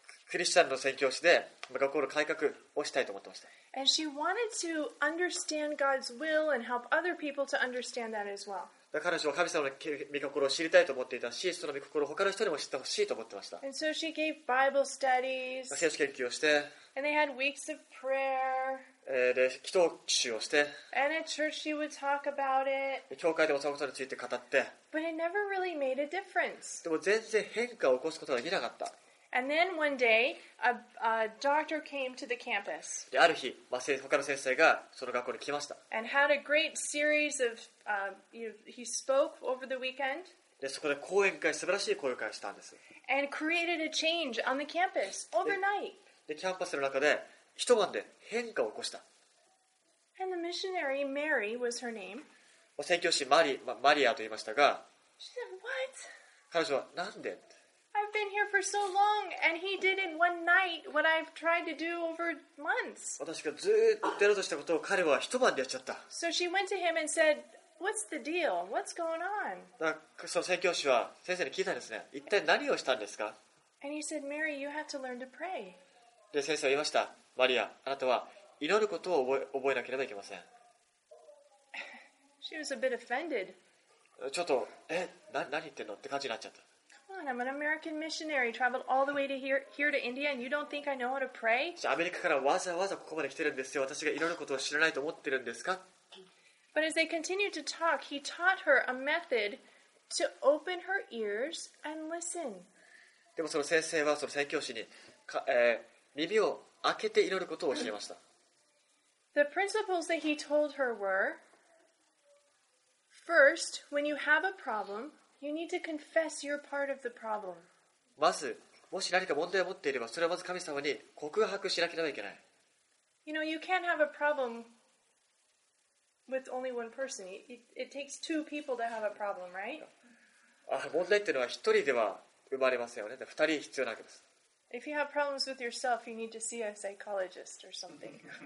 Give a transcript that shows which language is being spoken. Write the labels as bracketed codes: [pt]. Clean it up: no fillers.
[ja] クリスチャンの宣教師で学校の改革をしたいと思ってました。 [en] And she wanted to understand God's will and help other people to understand that as well. [ja] 彼女は神様の御心を知りたいと思っていたし、その御心を他の人にも知ってほしいと思ってました。 [en] And so she gave Bible studies. [ja] 聖書研究をして。 [en] And they had weeks of prayer. [ja] で、祈祷集をして。 [en] And at church she would talk about it. [ja] 教会でもそのことについて語って。 [en] But it never really made a difference. [ja] でも全然変化を起こすことができなかった。 [en] And then one day, a doctor came to the campus. [ja] で、ある日、他の先生がその学校に来ました。 [en] And had a great series of, he spoke over the weekend. [ja] で、そこで講演会、素晴らしい講演会をしたんです。 [en] And created a change on the campus overnight. [ja] で、キャンパスの中で一晩で変化を起こした。 [en] And the missionary Mary was her name. [ja] 宣教師マリアと言いましたが、 [en] She said, "What?" [ja] 彼女はなんで？ [en] I've been here for so long, and he did in one night what I've tried to do over months. [ja] 私がずっとやろうとしたことを彼は一晩でやっちゃった。 [en] So she went to him and said, "What's the deal? What's going on?" [ja] だからその宣教師は先生に聞いたんですね。一体何をしたんですか？ [en] And he said, "Mary, you have to learn to pray." [ja] で先生は言いました。マリア、あなたは祈ることを覚えなければいけません。 [en] She was a bit offended. [ja] ちょっと何言ってんのって感じになっちゃった。 [en] I'm an American missionary, traveled all the way to here to India, and you don't think I know how to pray? [ja] アメリカからわざわざここまで来てるんですよ。私が祈ることを知らないと思ってるんですか？ [en] But as they continued to talk, he taught her a method to open her ears and listen. [ja] でもその先生はその宣教師に、耳を開けて祈ることを教えました。 [en] The principles that he told her were, first, when you have a problem,You need to confess your part of the problem. [ja] まず、もし何か問題を持っていれば、それはまず神様に告白しなければいけない。 [en] You know, you can't have a problem with only one person. It takes two people to have a problem, right? [ja] 問題っていうのは一人では生まれませんよね。二人必要なわけです。 [en] If you have problems with yourself, you need to see a psychologist or something.